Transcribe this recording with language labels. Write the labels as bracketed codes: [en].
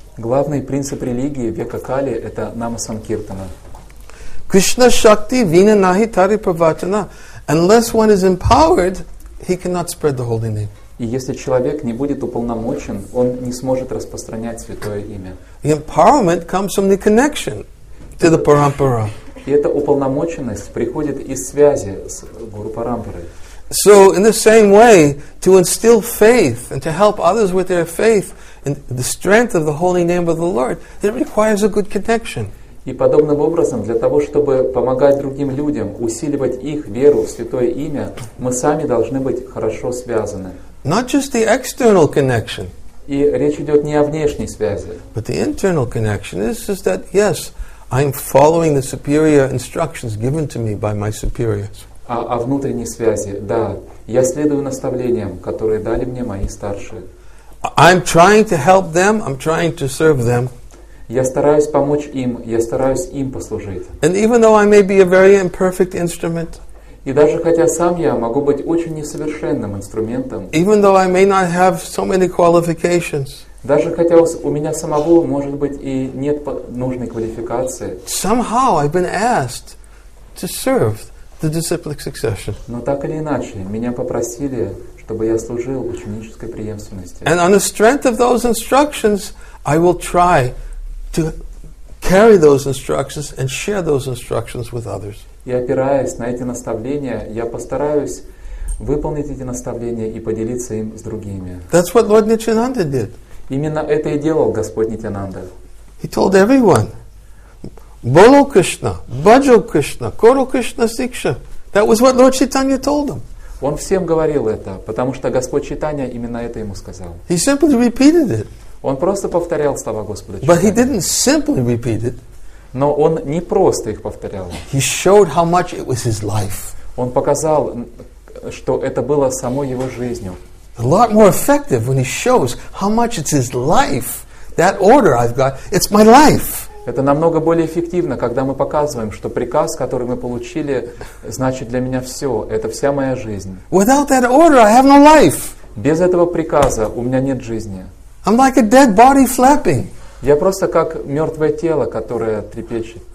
[ru] Главный принцип религии века Кали – это нама санкиртана. [bn] Кришна шакти вина нахи тари праватана. [en] Unless one is empowered, he cannot spread the holy name. [ru] И если человек не будет уполномочен, он не сможет распространять святое имя. [en] The empowerment comes from the connection to the parampara. [ru] И эта уполномоченность приходит из связи с гуру парампарой. [en] So in the same way, to instill faith and to help others with their faith and the strength of the holy name of the Lord, it requires a good connection. [ru] И подобным образом, для того, чтобы помогать другим людям, усиливать их веру в Святое Имя, мы сами должны быть хорошо связаны. [en] Not just the external connection. [ru] И речь идет не о внешней связи. [en] But the internal connection is that, yes, I'm following the superior instructions given to me by my superiors. [ru] О внутренней связи, да. Я следую наставлениям, которые дали мне мои старшие. [en] I'm trying to help them, I'm trying to serve them. [ru] Я стараюсь помочь им, я стараюсь им послужить. [en] And even though I may be a very imperfect instrument, [ru] и даже хотя сам я могу быть очень несовершенным инструментом, [en] even though I may not have so many qualifications, [ru] даже хотя у меня самого, может быть, и нет нужной квалификации, [en] somehow I've been asked to serve the disciplic succession. [ru] Но так или иначе, меня попросили, чтобы я служил ученической преемственности. [en] And on the strength of those instructions, I will try to carry those instructions and share those instructions with others. [ru] И опираясь на эти наставления, я постараюсь выполнить эти наставления и поделиться им с другими. [en] That's what Lord Nityananda did. [ru] Именно это и делал Господь Нитянанда. [en] He told everyone, [bn] Bolo Krishna, Bajo Krishna, Koro Krishna Siksha. [en] That was what Lord Chaitanya told them. [ru] Он всем говорил это, потому что Господь Чайтанья именно это ему сказал. [en] He simply repeated it. [ru] Он просто повторял слова Господа [en] Чайтанья. But he didn't simply repeat it. [ru] Но он не просто их повторял. [en] He showed how much it was his life. [ru] Он показал, что это было самой его жизнью. [en] A lot more effective when he shows how much it's his life. That order I've got, it's my life. [ru] Это намного более эффективно, когда мы показываем, что приказ, который мы получили, значит для меня все. Это вся моя жизнь. [en] Without that order, I have no life. [ru] Без этого приказа у меня нет жизни. [en] I'm like a dead body flapping. [ru] Я просто как мертвое тело, которое трепещет.